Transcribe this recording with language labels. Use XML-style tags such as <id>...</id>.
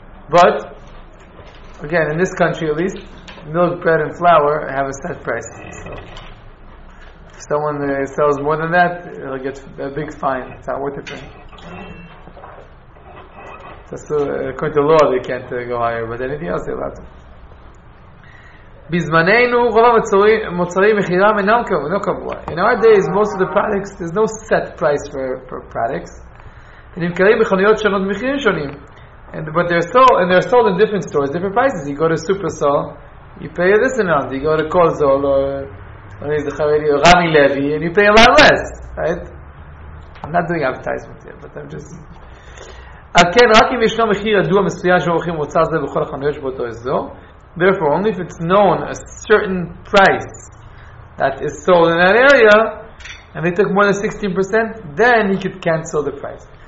<en>But again, in this country at least, milk, bread, and flour have a set price. So if someone sells more than that, it'll get a big fine. It's not worth it for him. So according to law, they can't go higher. But anything else, they're allowed to.</en> <he>בזמננו רוב המוצרים מחירם אינם קבוע.</he> <en>In our days, most of the products, there's no set price for products.</en> <he>ונמכרים בחנויות שונות מחירים שונים.</he> <en>But they're sold in different stores, different prices. You go to Supersol, you pay this amount. You go to Kozol or Rami Levy, and you pay a lot less, right? I'm not doing advertisements yet, but I'm just...</en> <he>על כן, רק אם ישנו מחיר ידוע מסוים שעורכים מוצר זה בכל החנויות שבאותו אזור,</he> <en>therefore, only if it's known a certain price that is sold in that area, and they took more than 16%, then he could cancel the price.</en>